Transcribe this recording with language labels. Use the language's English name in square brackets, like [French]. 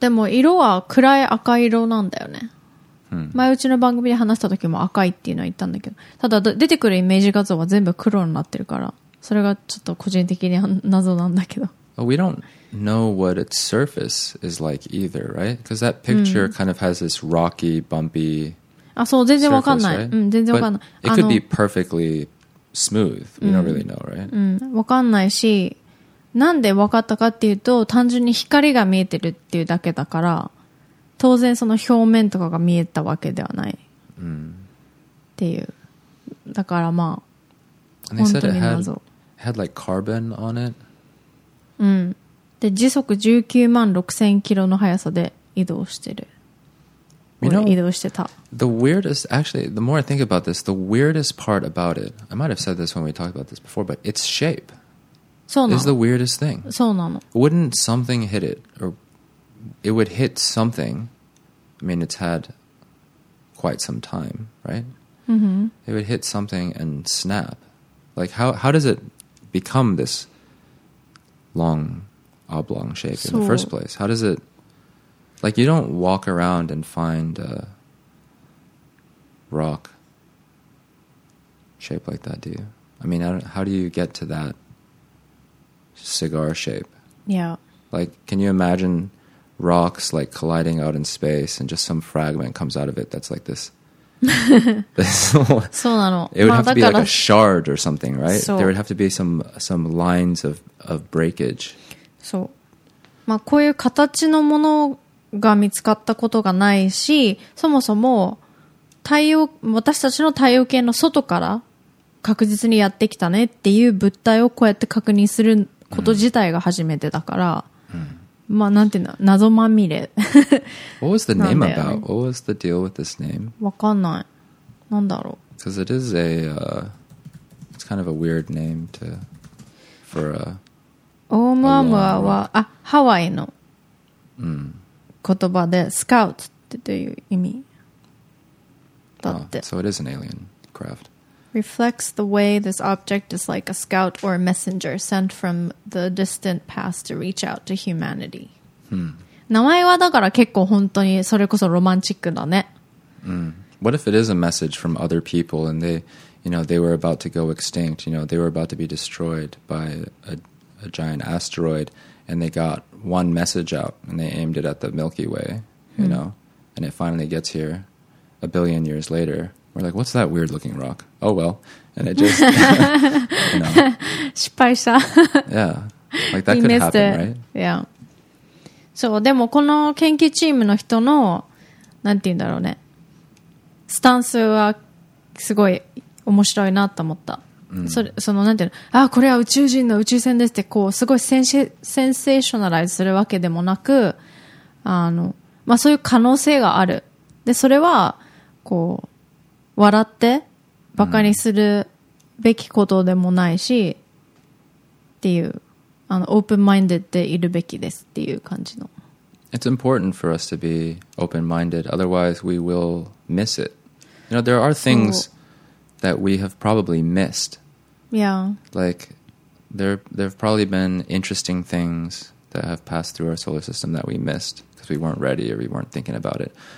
[Japanese] でも色は暗い赤色なんだよね。前うちの番組で話した時も赤いっていうのは言ったんだけど、ただ出てくるイメージ画像は全部黒になってるから、それがちょっと個人的に謎なんだけど。 [English] We don't know what its surface is like either, right? Because that picture kind of has this rocky, bumpy surface, right? But it could be perfectly smooth. We don't really know, right? [Japanese] わかんないし、なんでわかったかっていうと、単純に光が見えてるっていうだけだから、当然その表面とかが見えたわけではない。っていう。だからまあ、本当に謎。 [English] And they said it had like carbon on it? [Japanese] うん、で時速196,000キロの速さで移動してる。 [English] You know, [Japanese] 移動してた。 [English] The weirdest, actually, the more I think about this, the weirdest part about it, I might have said this when we talked about this before, but its shape is the weirdest thing. [Japanese] そうなの。 [English] Wouldn't something hit it? Or it would hit something. I mean, it's had quite some time, right? Mm-hmm. It would hit something and snap. Like, how does it become this? Long oblong shape in the first place. How does it like you don't walk around and find a rock shape like that, do you? I mean, how do you get to that cigar shape? Yeah. Like, can you imagine rocks like colliding out in space and just some fragment comes out of it that's like this? [Japanese] そうなの。 [English] It would have to be like a shard or something, right? There would have to be some lines of breakage. [Japanese] そう。まあこういう形のものが見つかったことがないし、そもそも私たちの太陽系の外から確実にやってきたねっていう物体をこうやって確認すること自体が初めてだから、まあなんていうの、謎まみれ。 [English] What was the name about? What was the deal with this name? [Japanese] わかんない。なんだろう。 [English] Because it is a, it's kind of a weird name to, for a... [Japanese] オームアムアは、あ、ハワイの言葉で、スカウトっていう意味だって。 [English] Oh, so it is an alien craft. Reflects the way this object is like a scout or a messenger sent from the distant past to reach out to humanity.、 Hmm. [Japanese] 名前はだから結構本当にそれこそロマンチックだね。 [English] What if it is a message from other people and they, you know, they were about to go extinct, you know, they were about to be destroyed by a giant asteroid and they got one message out and they aimed it at the Milky Way, you know, and it finally gets here a billion years later. We're like, what's that weird looking rock? Oh well. And it just, you know. [Japanese] 失敗した。 [English] Yeah. Like that could happen, right? Yeah. So, [Japanese] でもこの研究チームの人の、なんて言うんだろうね。スタンスはすごい面白いなと思った、うん、それそのなんていうの、あ、これは宇宙人の宇宙船ですってこうすごいセンセーショナライズするわけでもなく、あの、まあ、そういう可能性がある。でそれはこう笑ってバカにするべきことでもないし、うん、っていう、あの、オープンマインデッドでいるべきですっていう感じの。 [English] It's important for us to be open-minded. Otherwise, we will miss it. You know, there are things that we have probably missed. Yeah. Like, there have probably been interesting things that have passed through our solar system that we missed because we weren't ready or we weren't thinking about it.